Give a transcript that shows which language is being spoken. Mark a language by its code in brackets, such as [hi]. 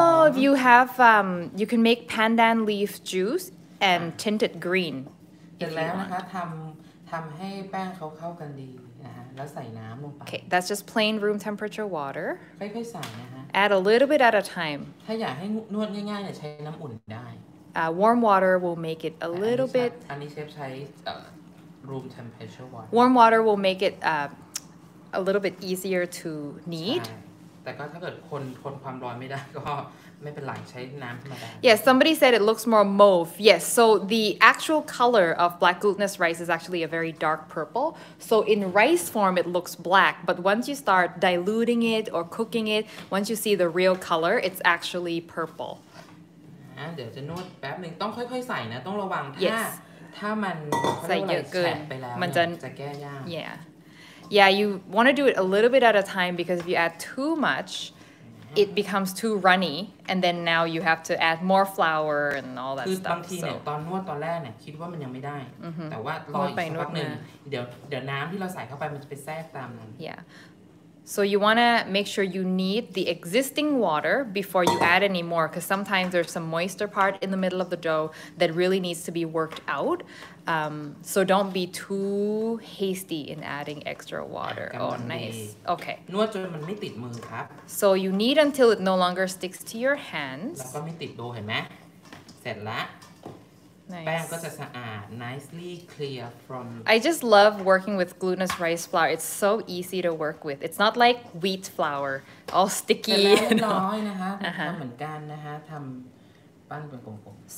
[en] If you have you can make pandan leaf juice and tint it green. [th] เสร็จแล้วนะคะทำให้แป้งเขาเข้ากันดีนะฮะแล้วใส่น้ำลงไป [en] Okay, that's just plain room temperature water. [th] ค่อยๆใส่นะฮะ [en] Add a little bit at a time. [th] ถ้าอยากให้นวดง่ายๆเนี่ยใช้น้ำอุ่นได้ [en] Warm water will make it a little bit. [th] อันนี้เชฟใช้ [en] room temperature water. Warm water will make it a little bit easier to knead. [th] แต่ก็ถ้าเกิดคนความร้อนไม่ได้ก็ไม่เป็นไรใช้น้ำธรรมดา [en] Yes, somebody said it looks more mauve. Yes, so the actual color of black glutinous rice is actually a very dark purple. So in rice form, it looks black. But once you start diluting it or cooking it, once you see the real color, it's actually purple. [th] เดี๋ยวจะนวดแป๊บนึงต้องค่อยๆใส่นะต้องระวังถ้ามัน ใส่เยอะเกิน มันจะแก้ยาก [en] Yeah, you want to do it a little bit at a time because if you add too much it becomes too runny and then now you have to add more flour and all that stuff [th] บางทีเนี่ยตอนนวดตอนแรกเนี่ยคิดว่ามันยังไม่ได้แต่ว่ารออีกสักพักนึงเดี๋ยวน้ำที่เราใส่เข้าไปมันจะไปแทรกตามนั้น [en] YeahSo you want to make sure you knead the existing water before you add any more because sometimes there's some moister part in the middle of the dough that really needs to be worked out. So don't be too hasty in adding extra water. Oh, nice. Okay. [th] นวดจนมันไม่ติดมือครับ [en] So you knead until it no longer sticks to your hands. [th] แล้วก็ไม่ติดโดเห็นไหมเสร็จละ [en] Nice. [th] แป้งก็จะสะอาด [en] nicely clear from I just love working with glutinous rice flour it's so easy to work with it's not like wheat flour all sticky [th] แล้วน้อยนะคะทำเหมือนกันนะคะทำปั้นเป็นกลมๆ